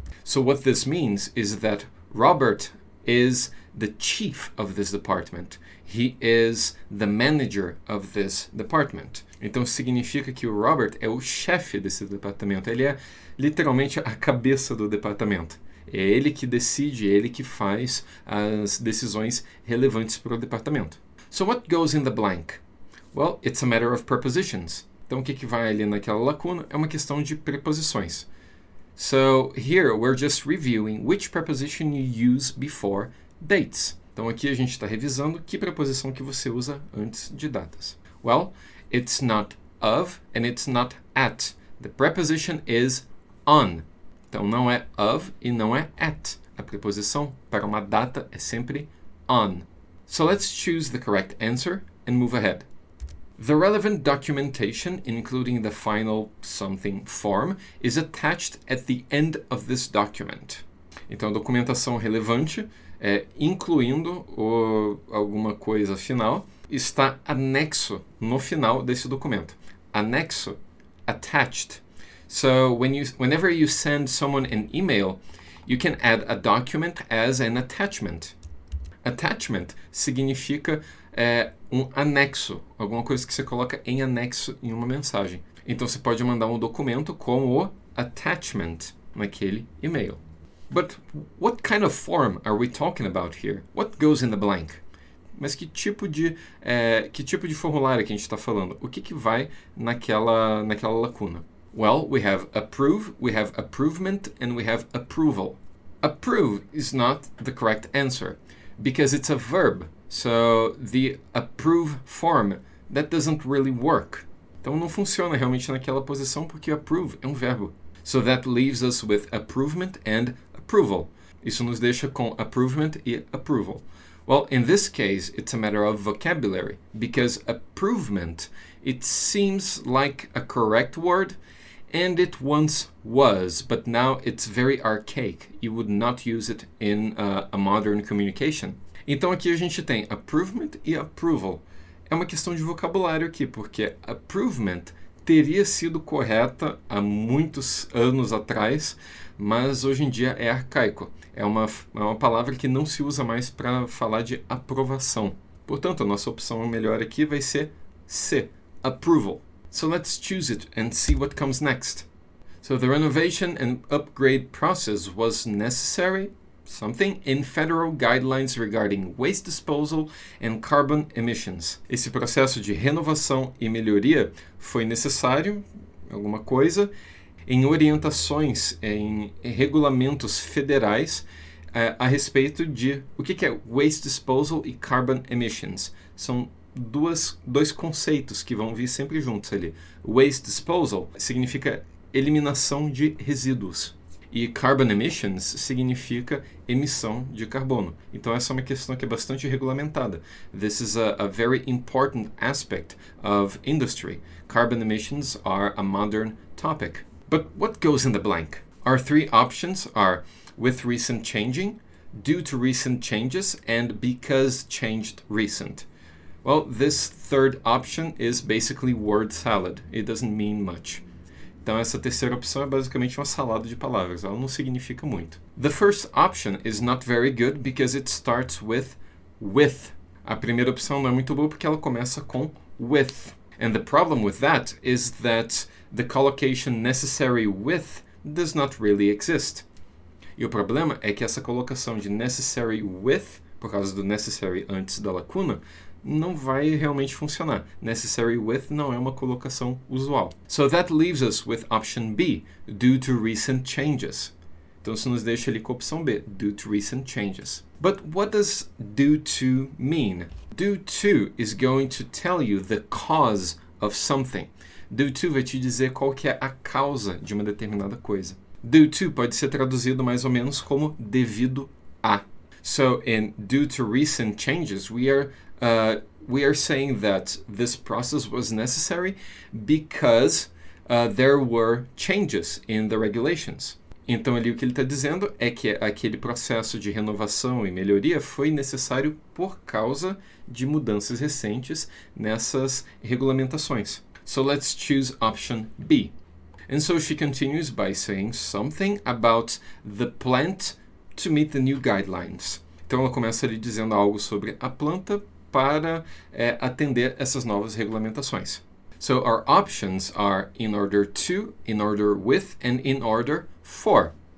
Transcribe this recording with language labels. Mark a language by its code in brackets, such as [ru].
[en] So what this means is that Robert is the chief of this department. He is the manager of this department. [pt] Então significa que o Robert é o chefe desse departamento. Ele é literalmente a cabeça do departamento. É ele que decide, é ele que faz as decisões relevantes para o departamento. [en] So what goes in the blank? Well, it's a matter of prepositions. [pt] Então o que vai ali naquela lacuna é uma questão de preposições. [en] So here we're just reviewing which preposition you use before dates. [pt] Então aqui a gente está revisando que preposição que você usa antes de datas. [en] Well, it's not of and it's not at. The preposition is on. [pt] Então não é of e não é at. A preposição para uma data é sempre on. [en] So let's choose the correct answer and move ahead. The relevant documentation, including the final something form, is attached at the end of this document. [pt] Então a documentação relevante, incluindo alguma coisa final, está anexo no final desse documento. Anexo, attached. [en] So whenever you send someone an email, you can add a document as an attachment. [pt] Attachment significa um anexo, alguma coisa que você coloca em anexo em uma mensagem. Então você pode mandar um documento com o attachment naquele e-mail. [en] But what kind of form are we talking about here? What goes in the blank? [pt] Mas que tipo de formulário que a gente está falando? O que vai naquela lacuna? [en] Well, we have approve, we have approvement, and we have approval. Approve is not the correct answer, because it's a verb. So the approve form, that doesn't really work. [pt] Então não funciona realmente naquela posição, porque approve é um verbo. [en] So that leaves us with approvement and approval. [pt] Isso nos deixa com approvement e approval. [en] Well, in this case, it's a matter of vocabulary, because approvement, it seems like a correct word, and it once was, but now it's very archaic. You would not use it in a modern communication. [pt] Então aqui a gente tem approvement e approval. É uma questão de vocabulário aqui, porque approvement teria sido correta há muitos anos atrás, mas hoje em dia é arcaico. É uma palavra que não se usa mais para falar de aprovação. Portanto, a nossa opção melhor aqui vai ser C, approval. [en] So let's choose it and see what comes next. So the renovation and upgrade process was necessary, something in federal guidelines regarding waste disposal and carbon emissions. [pt] Esse processo de renovação e melhoria foi necessário, alguma coisa, em orientações, em regulamentos federais a respeito de o que é waste disposal e carbon emissions. São dois conceitos que vão vir sempre juntos ali. Waste disposal significa eliminação de resíduos. E carbon emissions significa emissão de carbono. Então essa é uma questão que é bastante regulamentada. [en] This is a very important aspect of industry. Carbon emissions are a modern topic. But what goes in the blank? Our three options are with recent changing, due to recent changes, and because changed recent. Well, this third option is basically word salad. It doesn't mean much. [pt] Então essa terceira opção é basicamente uma salada de palavras, ela não significa muito. [en] The first option is not very good because it starts with. [pt] A primeira opção não é muito boa porque ela começa com with. [en] And the problem with that is that the collocation necessary with does not really exist. [pt] E o problema é que essa colocação de necessary with, por causa do necessary antes da lacuna, não vai realmente funcionar. Necessary with não é uma colocação usual. [en] So that leaves us with option B, due to recent changes. [pt] Então isso nos deixa ali com a opção B, [en] due to recent changes. But what does due to mean? Due to is going to tell you the cause of something. [pt] Due to vai te dizer qual que é a causa de uma determinada coisa. Due to pode ser traduzido mais ou menos como devido a. [en] So in due to recent changes, we are saying that this process was necessary because there were changes in the regulations. [pt] Então ali o que ele está dizendo é que aquele processo de renovação e melhoria foi necessário por causa de mudanças recentes nessas regulamentações. [en] So let's choose option B. And so she continues by saying something about the plant to meet the new guidelines. [pt] Então ela começa ali dizendo algo sobre a planta para atender essas novas regulamentações. [en] So our options are in order to, in order with, and in order for.